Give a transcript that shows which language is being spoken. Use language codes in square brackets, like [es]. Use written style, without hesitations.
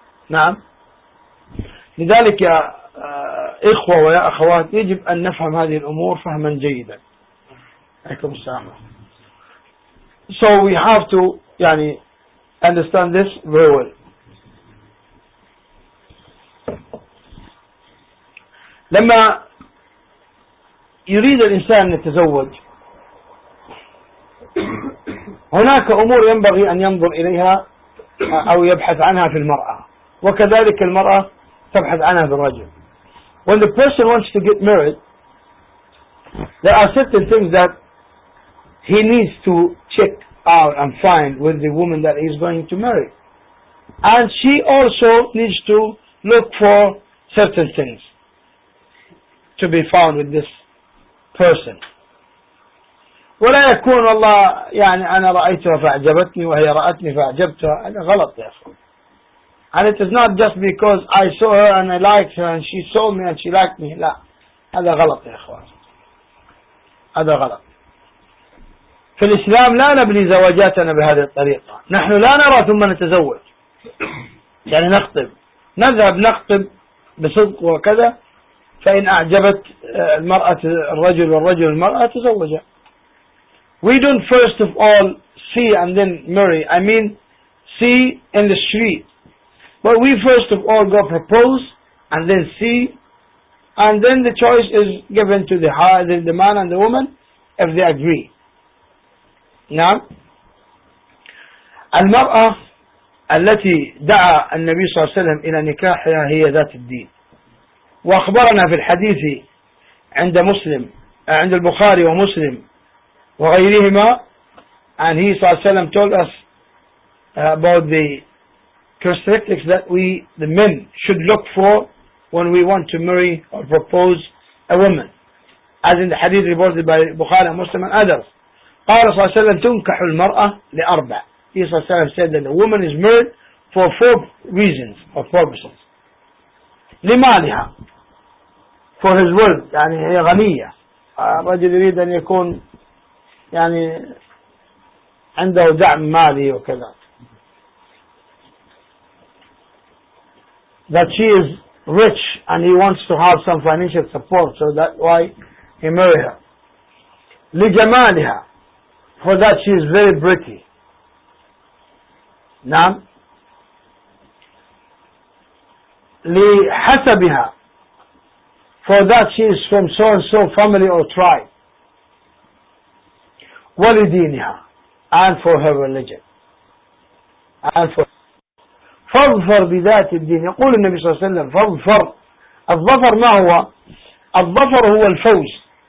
[ar] نعم. لذلك يا إخوة ويا أخوات يجب أن نفهم هذه الأمور فهما جيدا. عليكم السلام. [en] So we have to يعني understand this very well. [ar] لما يريد الإنسان أن يتزوج هناك أمور ينبغي أن ينظر إليها أو يبحث عنها في المرأة وكذلك المرأة تبحث عنها في الرجل. [en] When the person wants to get married, there are certain things that he needs to check out and find with the woman that he is going to marry. And she also needs to look for certain things to be found with this person. [ar] ولا يكون والله يعني أنا رأيتها فأعجبتني وهي رأتني فأعجبتها. هذا غلط يا أخي. [en] And it is not just because I saw her and I liked her and she saw me and she liked me. [ar] لا. هذا غلط يا أخوان. هذا غلط. في الإسلام لا نبني زواجاتنا بهذه الطريقة. نحن لا نرى ثم نتزوج. يعني نخطب. نذهب نخطب بصدق وكذا. فإن أعجبت المرأة الرجل والرجل المرأة تزوجا. [en] We don't first of all see and then marry. I mean, see in the street. But we first of all go propose and then see. And then the choice is given to the man and the woman if they agree. [ar] نعم. المرأة التي دعا النبي صلى الله عليه وسلم إلى نكاحها هي ذات الدين. وأخبرنا في الحديث عند مسلم عند البخاري ومسلم وغيرهما [en] and he [ar] صلى الله عليه وسلم [en] told us about the characteristics that we the men should look for when we want to marry or propose a woman as in the hadith reported by Bukhari and Muslim and others. [ar] قال صلى الله عليه وسلم تنكح المرأة لأربع. [en] He [ar] صلى الله عليه وسلم [en] said that a woman is married for four reasons or purposes. [ar] لمالها [en] for his world [ar] يعني هي غنية. الرجل يريد أن يكون يعني عنده دعم مالي وكذا. [en] That she is rich and he wants to have some financial support, so that why he marry her. لجمالها, for that she is very pretty. [ar] نعم. [en] لحسبها, for that she is from so and so family or tribe. ولدينها, and for her religion, and for [ar] فظفر بذات الدين. يقول النبي صلى الله عليه وسلم فظفر. الظفر ما هو؟ الظفر هو الفوز.